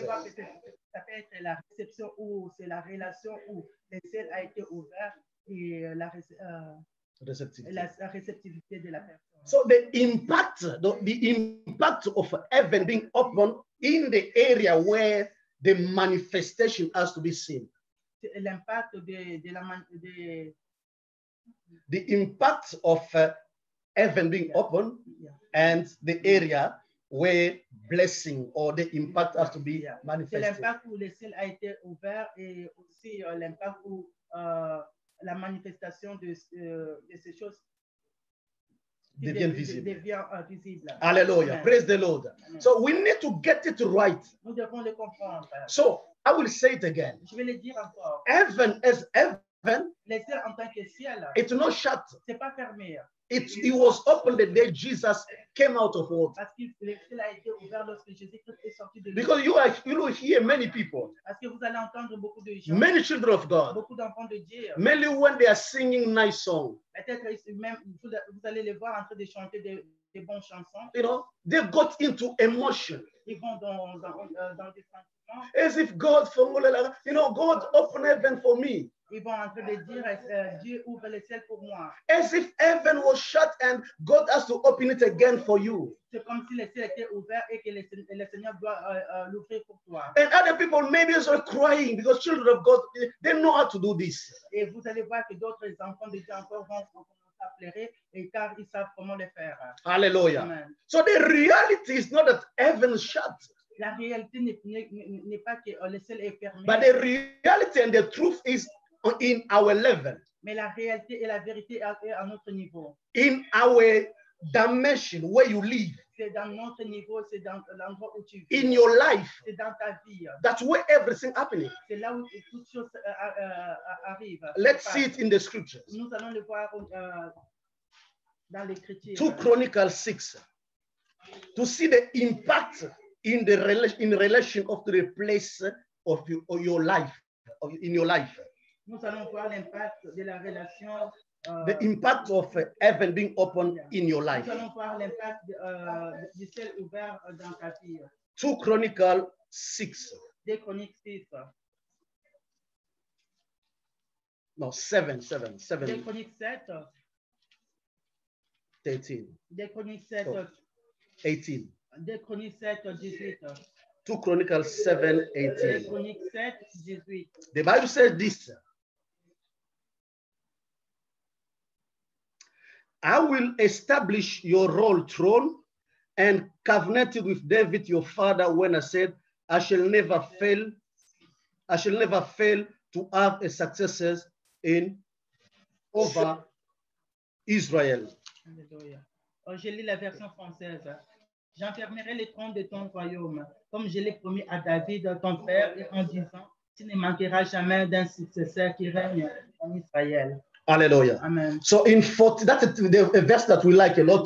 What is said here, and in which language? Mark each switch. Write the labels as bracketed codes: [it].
[fr] Vous allez voir que ça peut être la réception ou c'est la relation où le ciel a été ouvert et la réceptivité de la personne. [en] So the impact of heaven being open in the area where the manifestation has to be seen. [fr] L'impact [en] the impact of heaven being open and the area where blessing or the impact has to be manifested. [fr] C'est l'impact où le ciel a été ouvert et aussi l'impact où la manifestation de ces choses devient visible. Alléluia. [en] Praise the Lord. Amen. So we need to get it right. [fr] Nous devons le comprendre. [en] So I will say it again. [fr] Je vais le dire encore. [en] Heaven is heaven. [fr] Le ciel en tant que ciel. [en] It's not shut. [fr] C'est pas fermé. [en] It was open the day Jesus came out of water. [fr] Parce que le ciel a été ouvert lorsque Jésus-Christ est sorti de. [en] Because you will hear many people. [fr] Parce que vous allez entendre beaucoup de gens. [en] Many children of God. [fr] Beaucoup d'enfants de Dieu. [en] Mainly when they are singing nice songs. [fr] Peut-être même vous allez les voir en train de chanter des bonnes chansons. [en] You know, they got into emotion. [fr] Ils vont dans des sens. [en] As if God, you know, God opened heaven for me. [fr] Ils vont en train de dire, Dieu ouvre le ciel pour moi. [en] As if heaven was shut and God has to open it again for you. [fr] C'est comme si le ciel était ouvert et que le Seigneur doit l'ouvrir pour toi. [en] And other people maybe are crying because children of God, they know how to do this. [fr] Et vous allez voir que d'autres enfants de Dieu encore vont commencer à pleurer et car ils savent comment le faire. Hallelujah. Amen. [en] So the reality is not that heaven is shut. [fr] La réalité n'est pas que le ciel est fermé. [en] But the reality and the truth is in our level. [fr] Mais la réalité et la vérité est à notre niveau. [en] In our dimension, where you live. [fr] C'est dans notre niveau, c'est dans l'endroit où tu vis. [en] In your life. [fr] C'est dans ta vie. [en] That's where everything happening. [fr] C'est là où toutes choses arrivent. [en] Let's see it in the scriptures. [fr] Nous allons le voir dans l'écriture. [en] 2 Chronicles 6. To see the impact in relation of the place of your life, of, in your life. [fr] Nous allons voir l'impact de la relation. [en] The impact of heaven being open in your life. [fr] Nous allons voir l'impact du ciel ouvert dans ta vie. [en] 2 Chronicles 6. [fr] Deux Chroniques 6. [en] No, 7. [fr] Deux Chroniques 7. [en] 13. [fr] Deux Chroniques 7. [en] 18. [fr] Deux Chroniques 7, 18. [en] 2 Chronicles 7, 18. [fr] Deux Chroniques 7, 18. [en] The Bible says this. I will establish your royal throne and covenant with David, your father, when I said, I shall never fail to have a successor in over Israel. [fr] Oh, je lis la version française. J'enfermerai le trône de ton royaume, comme je l'ai promis à David, ton père, en disant, tu ne manqueras jamais d'un successeur qui règne en Israël. Alléluia. Amen. [en] So in 40, that's the verse that we like a lot.